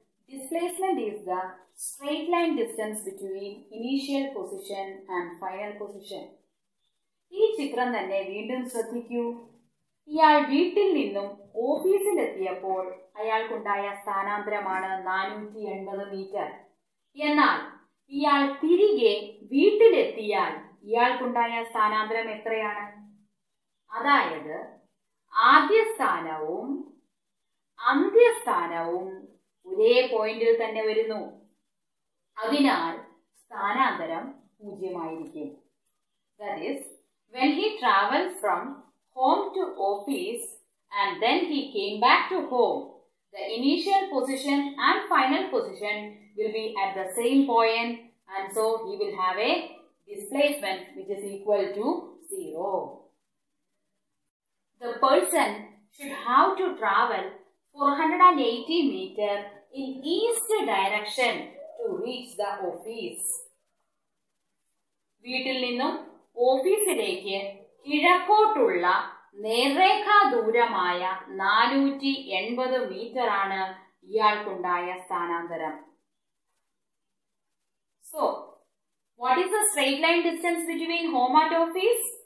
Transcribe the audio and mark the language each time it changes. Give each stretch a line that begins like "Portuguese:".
English: Displacement is the straight line distance between initial position and final position.
Malayalam: ഈ ചിത്രം തന്നെ വീണ്ടും ശ്രദ്ധിക്കൂ. ഇയാൾ വീട്ടിൽ നിന്നും ഓഫീസിൽ എത്തിയപ്പോൾ അയാൾക്കുണ്ടായ സ്ഥാനാന്തരമാണ് 480 മീറ്റർ. എന്നാൽ ഇയാൾ തിരികെ വീട്ടിലെത്തിയാൽ ഇയാൾക്കുണ്ടായ സ്ഥാനാന്തരം എത്രയാണ്? അതായത് ആദ്യ സ്ഥാനവും അന്ത്യസ്ഥാനവും ഒരേ പോയിന്റിൽ തന്നെ വരുന്നു. അതിനാൽ സ്ഥാനാന്തരം പൂജ്യമായിരിക്കും.
English: That is, when he traveled from home to office and then he came back to home, the initial position and final position will be at the same point and so he will have a displacement which is equal to zero. The person should have to travel 480 meter in east direction to reach the office.
Malayalam: വീട്ടിൽ നിന്നും ഓഫീസിലേക്ക് കിഴക്കോട്ടുള്ള നേർരേഖാ ദൂരമായ 480 metre ആണ് ഇയാൾക്കുണ്ടായ സ്ഥാനാന്തരം.
English: So what is the straight line distance between home and office?